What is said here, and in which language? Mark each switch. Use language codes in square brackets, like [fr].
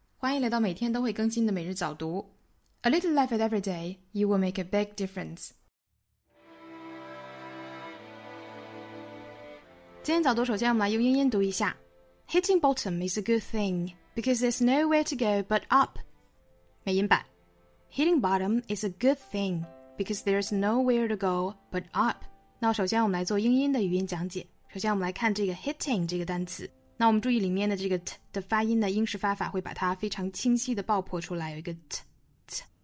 [zh] 欢迎来到每天都会更新的每日早读。 [en] A little life at every day, you will make a big difference. [zh] 今天早读首先我们来用英音读一下。 [en] Hitting bottom is a good thing, because there's nowhere to go but up. [zh] 美音版。 [en] Hitting bottom is a good thing, because there's nowhere to go but up. [zh] 那首先我们来做英音的语音讲解。首先我们来看这个 hitting 这个单词。那我们注意里面的这个 t 的发音呢，英式发法会把它非常清晰的爆破出来，有一个 t。